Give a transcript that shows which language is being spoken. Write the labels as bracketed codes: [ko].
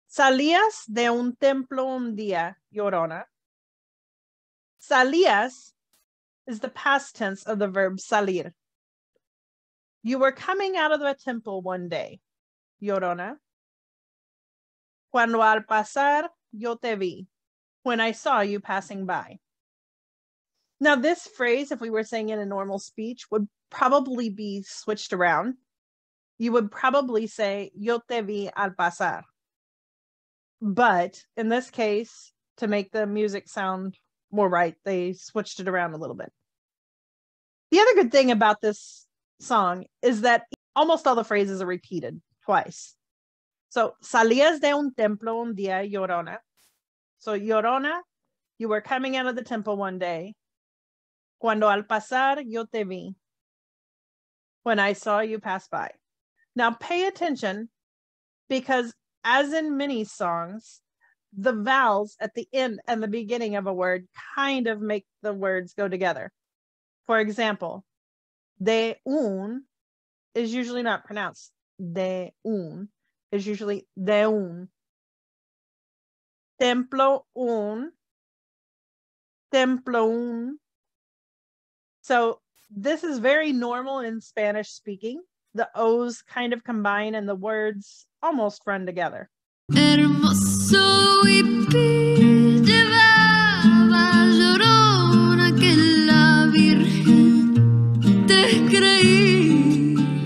[es] Salías de un templo un día, llorona. [en] Salías is the past tense of the verb salir. You were coming out of the temple one day, llorona. [es] Cuando al pasar, yo te vi. [en] When I saw you passing by. Now this phrase, if we were saying in a normal speech, would probably be switched around. You would probably say, [es] yo te vi al pasar. [en] But in this case, to make the music sound more right, they switched it around a little bit. The other good thing about this song is that almost all the phrases are repeated twice. [es] So, salías de un templo un día, llorona. [en] So, llorona, you were coming out of the temple one day. [es] Cuando al pasar, yo te vi. [en] When I saw you pass by. Now, pay attention because as in many songs, the vowels at the end and the beginning of a word kind of make the words go together. For example, de un is usually not pronounced. [es] De un is usually de un. Templo un. Templo un. [en] So this is very normal in Spanish speaking. The O's kind of combine and the words almost run together. [es] Hermoso y pil llevaba llorona que la virgen te creí.